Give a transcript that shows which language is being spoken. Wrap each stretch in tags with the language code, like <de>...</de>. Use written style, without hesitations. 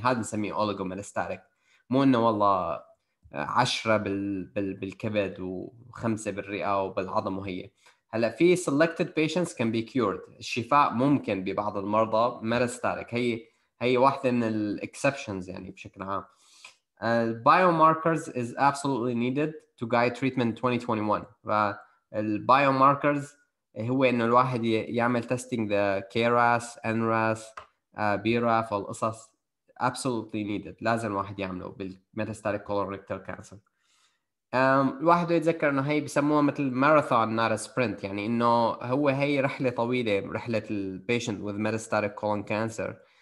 <ar>يعني هذا نسميه اوليجو ميتاستاتيك، مو انه والله 10 بالكبد وخمسه بالرئه وبالعظم. وهي هلا في</ar> <en>selected patients can be cured،</en> <ar>الشفاء ممكن ببعض المرضى ميتاستاتيك، هي واحده من الاكسبشنز يعني بشكل عام.</ar> <en>Biomarkers is absolutely needed to guide treatment 2021.</en> <ar>Biomarkers هو إنه الواحد يعمل testing the KRAS, NRAS, BRAF والقصص،</ar> <en>absolutely needed،</en> <ar>لازم الواحد يعمله بالmetastatic colorectal cancer. الواحد يتذكر إنه هي بسموها مثل</ar> <en>marathon not a sprint،</en> <ar>يعني إنه هو هي رحلة طويلة، رحلة ال patient with metastatic colon cancer.</ar>